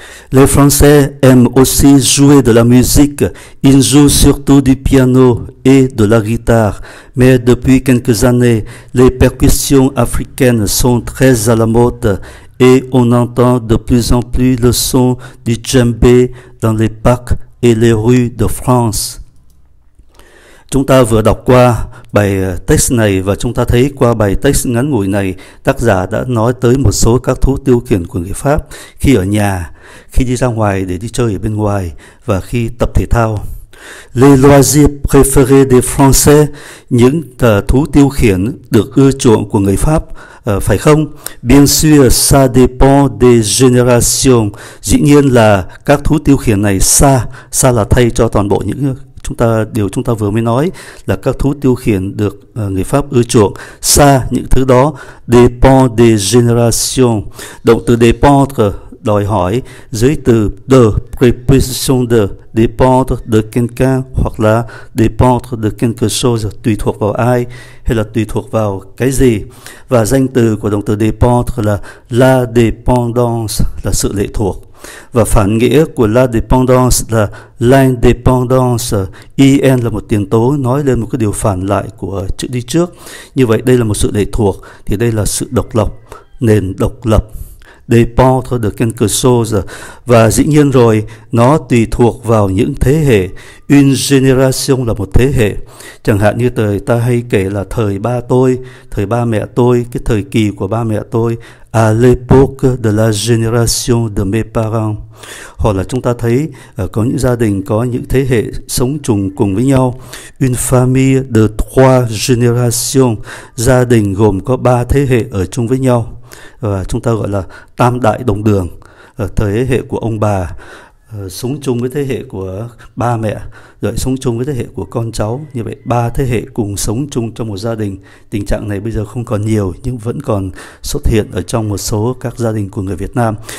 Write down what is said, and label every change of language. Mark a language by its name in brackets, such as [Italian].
[French] Les Français aiment aussi jouer de la musique. Ils jouent surtout du piano et de la guitare. Mais depuis quelques années, les percussions africaines sont très à la mode et on entend de plus en plus le son du djembé dans les parcs et les rues de France. [Vietnamese] Chúng ta vừa đọc qua bài text này và chúng ta thấy qua bài text ngắn ngủi này, tác giả đã nói tới một số các thú tiêu khiển của người Pháp khi ở nhà, khi đi ra ngoài để đi chơi ở bên ngoài và khi tập thể thao. [French] Les loisirs préférés des Français, [Vietnamese] những thú tiêu khiển được ưa chuộng của người Pháp, phải không? [French] Bien sûr, ça dépend des générations. [Vietnamese] Dĩ nhiên là các thú tiêu khiển này xa là thay cho toàn bộ những điều chúng ta vừa mới nói là các thú tiêu khiển được người Pháp ưa chuộng. Xa những thứ đó, [French] dépend des générations. [Vietnamese] Động từ dépendre đòi hỏi, giới từ de, préposition de, [French] dépendre de quelqu'un [Vietnamese] hoặc là [French] dépendre de quelque chose, [Vietnamese] tùy thuộc vào ai hay là tùy thuộc vào cái gì. Và danh từ của động từ dépendre là la dépendance, là sự lệ thuộc. Và phản nghĩa của la dépendance là l'indépendance. IN là một tiền tố nói lên một cái điều phản lại của chữ đi trước. Như vậy đây là một sự lệ thuộc, thì đây là sự độc lập, nền độc lập. [French] Dépendre de quelque chose. [Vietnamese] Và dĩ nhiên rồi, nó tùy thuộc vào những thế hệ. Une génération là một thế hệ. Chẳng hạn như thời ta hay kể là thời ba tôi, thời ba mẹ tôi, cái thời kỳ của ba mẹ tôi, [French] à l'époque de la génération de mes parents. [Vietnamese] Hoặc là chúng ta thấy có những gia đình có những thế hệ sống trùng cùng với nhau. [French] Une famille de trois générations. [Vietnamese] Gia đình gồm có ba thế hệ ở chung với nhau. Và chúng ta gọi là tam đại đồng đường, thế hệ của ông bà sống chung với thế hệ của ba mẹ, rồi sống chung với thế hệ của con cháu. Như vậy ba thế hệ cùng sống chung trong một gia đình. Tình trạng này bây giờ không còn nhiều nhưng vẫn còn xuất hiện ở trong một số các gia đình của người Việt Nam.